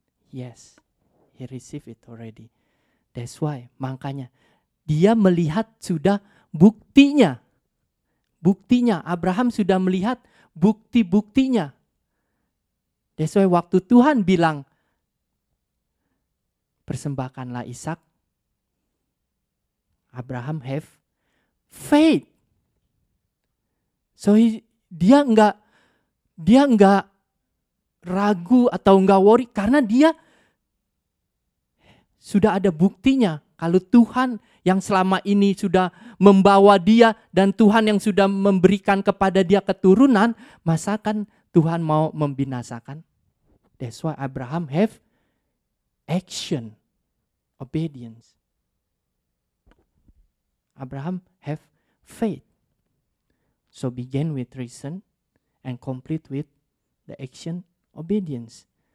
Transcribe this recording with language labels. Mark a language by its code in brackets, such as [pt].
[en] Yes, he received it already. That's why, [id] makanya dia melihat sudah buktinya. Buktinya, Abraham sudah melihat bukti-buktinya. [en] That's why [id] waktu Tuhan bilang, persembahkanlah Ishak. Abraham [en] have faith. So [id] dia enggak ragu atau enggak worry karena dia sudah ada buktinya. Kalau Tuhan yang selama ini sudah membawa dia dan Tuhan yang sudah memberikan kepada dia keturunan, masakan Tuhan mau membinasakan? [en] That's why Abraham have action, obedience. Abraham have faith. So begin with reason and complete with the action obedience.